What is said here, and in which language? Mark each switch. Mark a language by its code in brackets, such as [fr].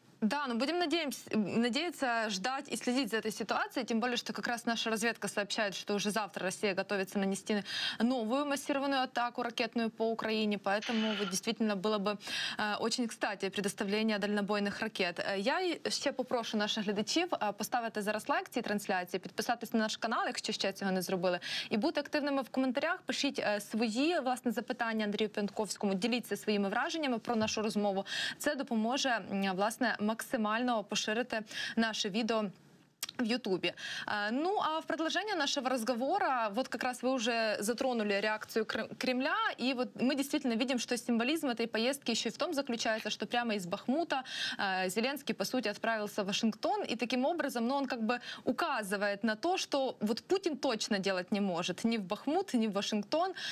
[ru] Да, но будем надеяться ждать и следить за этой ситуацией, тем более, что как раз наша разведка сообщает, что уже завтра Россия готовится нанести новую массированную атаку ракетную по Украине, поэтому вот, действительно было бы очень кстати предоставление дальнобойных ракет. [uk] Я ще попрошу наших глядачів поставити зараз лайк цій трансляції, підписатись на наш канал, якщо ще цього не зробили, і бути активними в коментарях, пишіть свої, власне, запитання Андрію Пінтковському, діліться своїми враженнями про нашу розмову. Це допоможе, власне, максимально поширити наше відео в Ютубе. [ru] Ну, а в продолжение нашего разговора, вот как раз вы уже затронули реакцию Кремля, и вот мы действительно видим, что символизм этой поездки еще и в том заключается, что прямо из Бахмута Зеленский, по сути, отправился в Вашингтон, и таким образом, ну, он как бы указывает на то, что вот Путин точно делать не может, ни в Бахмут, ни в Вашингтон.